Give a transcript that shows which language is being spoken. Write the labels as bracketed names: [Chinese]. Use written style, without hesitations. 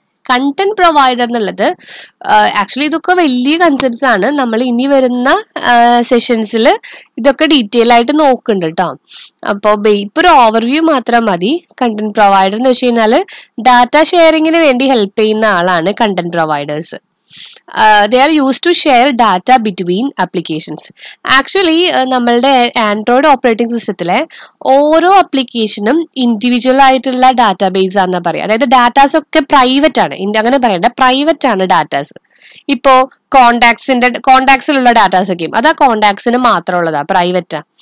[Malayalam] Content provider എന്നുള്ളത് actually ഇതൊക്കെ വലിയ കൺസെപ്റ്റ്സ് ആണ്. നമ്മൾ ഇനി വരുന്ന സെഷൻസിൽ ഇതൊക്കെ ഡീറ്റെയിൽ ആയിട്ട് നോക്കുന്നുണ്ട് കേട്ടോ. അപ്പോൾ ഇപ്പൊരു ഓവർവ്യൂ മാത്രം മതി. കണ്ടന്റ് പ്രൊവൈഡർ എന്ന് വെച്ച് കഴിഞ്ഞാൽ ഡാറ്റ ഷെയറിങ്ങിന് വേണ്ടി ഹെൽപ്പ് ചെയ്യുന്ന ആളാണ് content providers. [English] They are used to share data between applications. [Malayalam] Actually, നമ്മളുടെ ആൻഡ്രോയിഡ് ഓപ്പറേറ്റിംഗ് സിസ്റ്റത്തിലെ ഓരോ അപ്ലിക്കേഷനും ഇൻഡിവിജ്വൽ ആയിട്ടുള്ള ഡാറ്റാബേസ് ആണെന്ന് പറയാം. അതായത് ഡാറ്റാസ് ഒക്കെ പ്രൈവറ്റ് ആണ്, അങ്ങനെ പറയണ്ട, പ്രൈവറ്റ് ആണ് ഡാറ്റാസ്. ഇപ്പോ കോണ്ടാക്ട്സിലുള്ള ഡാറ്റാസ് ഒക്കെയും അതാ കോണ്ടാക്ട്സിന് മാത്രമുള്ളതാ, പ്രൈവറ്റാ.